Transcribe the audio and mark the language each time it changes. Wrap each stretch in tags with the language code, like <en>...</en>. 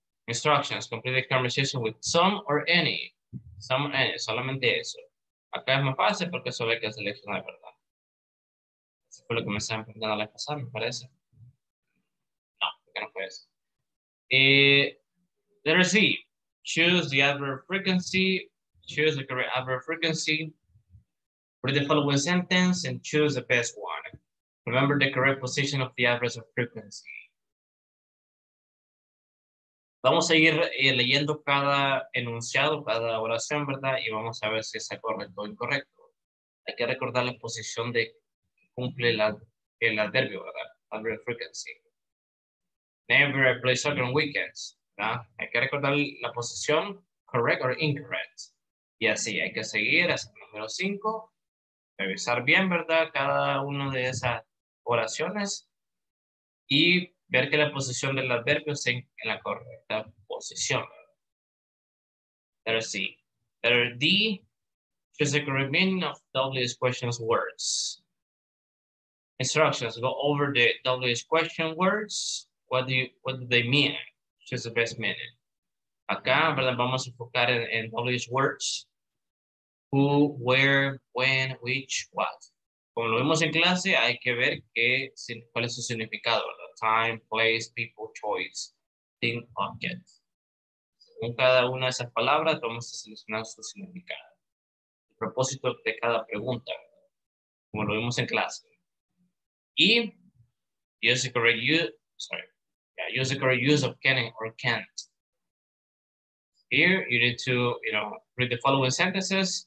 <en>Instructions, complete the conversation with some or any. Some or any,</en> <es>solamente eso. Acá es más fácil porque eso ve que es seleccionar, ¿verdad? Eso fue lo que me estaban preguntando la vez pasada, me parece. No, porque no fue eso.</es> <en>Letter C, choose the adverb frequency, choose the correct adverb frequency, put the following sentence and choose the best one. Remember the correct position of the adverb of frequency.</en> <es>Vamos a ir leyendo cada enunciado, cada oración, ¿verdad? Y vamos a ver si es correcto o incorrecto. Hay que recordar la posición de que cumple el adverbio, ¿verdad?</es> <en>Adverb frequency. Never play soccer on weekends.</en> <es>¿No? Hay que recordar la posición,</es> <en>correct or incorrect.</en> <es>Y así, hay que seguir hasta el número 5. Revisar bien, ¿verdad? Cada una de esas oraciones. Y ver que la posición del adverbio esté en la correcta posición.</es> <en>Letter C. Letter D. Choose the correct meaning of WH question words. Instructions. Go over the WH question words. What do they mean? Choose the best meaning.</en> <es>Acá, ¿verdad? Vamos a enfocar en</es> <en>WH words. Who, where, when, which, what.</en> <es>Como lo vimos en clase, hay que ver que, cuál es su significado, ¿verdad?</es> <en>Time, place, people, choice, thing, object.</en> <es>Según cada una de esas palabras, vamos a seleccionar su significado. El propósito de cada pregunta, ¿verdad? Como lo vimos en clase.</es> <en>Y, use the correct use of can or can't. Here, you need to, you know, read the following sentences.</en>